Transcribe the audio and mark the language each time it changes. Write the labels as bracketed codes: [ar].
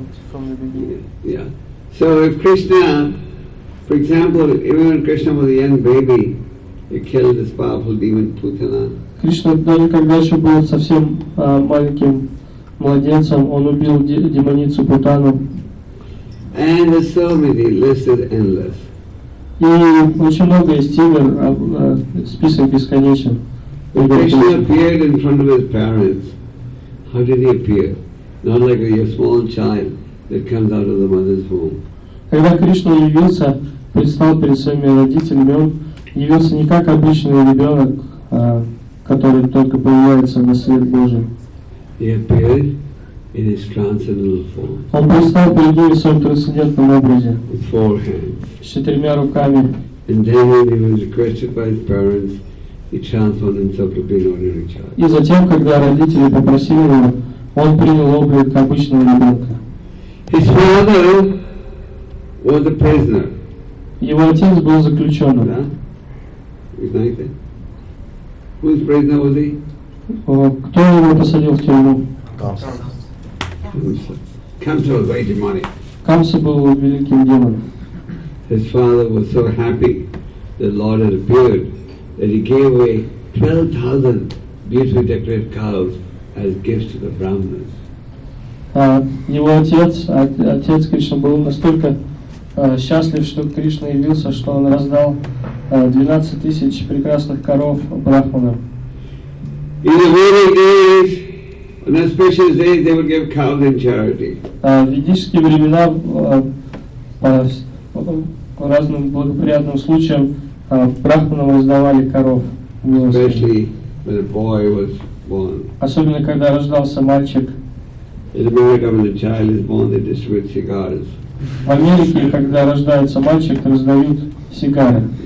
[en] Krishna from the beginning. Yeah. So if Krishna, for example, even when Krishna was a young baby, he killed this powerful demon Putana. [ru] Krishna, даже когда еще был совсем маленьким младенцем, он убил демоницу Путану. [en] And the so many list is endless. [ru] И очень много есть игр, список бесконечен. [en] When Krishna appeared in front of his parents, how did he appear? Not like a small child that comes out of the mother's womb. [ru] Когда Кришна явился, предстал перед своими родителями, он явился не как обычный ребенок, который только появляется на свет Божий. [en] He appeared in his transcendental form. [ru] Он предстал перед ними в своем трансцендентном образе. [en] With four hands. [ru] С четырьмя руками. [en] And then when he was requested by his parents, he transformed himself to be an ordinary child. [ru] И затем, когда родители попросили его, он принял облик обычного ребенка. [en] His father was a prisoner. [ru] Его отец был заключенным. Да? Знаете? [en] Whose prisoner was he? [ru] Кто его посадил в тюрьму? Камса. [en] Камса was a demonic. [ru] Камса был великим демоном. [en] His father was so happy that the Lord had appeared that he gave away 12,000 beautifully decorated cows as gifts to the Brahmanas. [ru] Его отец Кришна был настолько счастлив, что Кришна явился, что он раздал 12,000 прекрасных коров брахманам. [en] In the Vedic days, on special days, they would give cows in charity. [ru] В ведические времена по разным благоприятным случаям брахманам раздавали коров. [en] Especially when a boy was born. [ru] Особенно когда рождался мальчик. [en] In America, when a child is born, they distribute cigars. [ru] В Америке, когда рождается мальчик, раздают сигары.